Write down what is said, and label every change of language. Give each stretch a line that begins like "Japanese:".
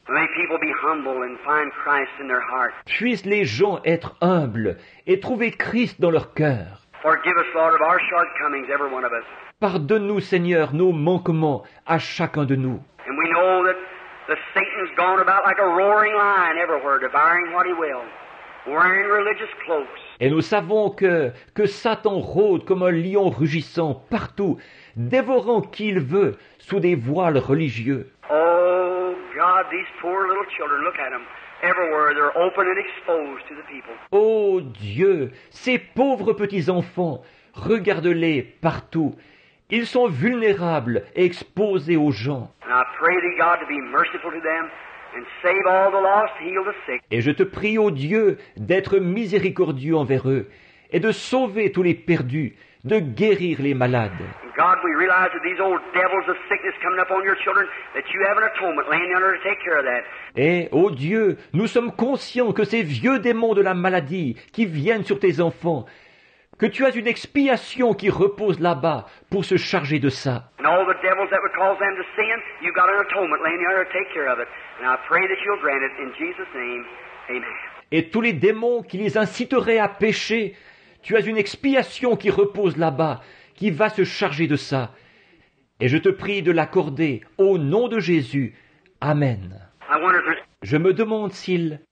English: May people be humble and find Christ in their heart.
French: Puissent les gens être humbles et trouver Christ dans leur cœur.
English: Forgive us, Lord, of our shortcomings, every one of us.
French: Pardonne-nous, Seigneur, nos manquements à chacun de nous.
English: And we know that the Satan's gone about like a roaring lion everywhere, devouring what he will, wearing religious cloaks.
French: Et nous savons que Satan rôde comme un lion rugissant partout, dévorant qui il veut sous des voiles religieux.
English: Oh God, these poor little children, look at them. Everywhere they're open and exposed to the people.
French: Oh Dieu, ces pauvres petits enfants, regarde-les partout. Ils sont vulnérables et exposés aux gens.
English: And I pray thee, God, to be merciful to them and save all the lost, heal the sick.
French: Et je te prie, ô Dieu, d'être miséricordieux envers eux et de sauver tous les perdus, de guérir les malades.
English: God, we realize that these old devils of sickness coming up on your children, that you have an atonement laying under to take care of that.
French: Et, ô Dieu, nous sommes conscients que ces vieux démons de la maladie qui viennent sur tes enfants, que tu as une expiation qui repose là-bas pour se charger de ça.
English: And all the devils that would cause them to sin, you've got an atonement laying under to take care of it. And I pray that you'll grant it in Jesus' name. Amen.
French: Et tous les démons qui les inciteraient à pécher, tu as une expiation qui repose là-bas, qui va se charger de ça. Et je te prie de l'accorder au nom de Jésus. Amen. Je me demande s'il...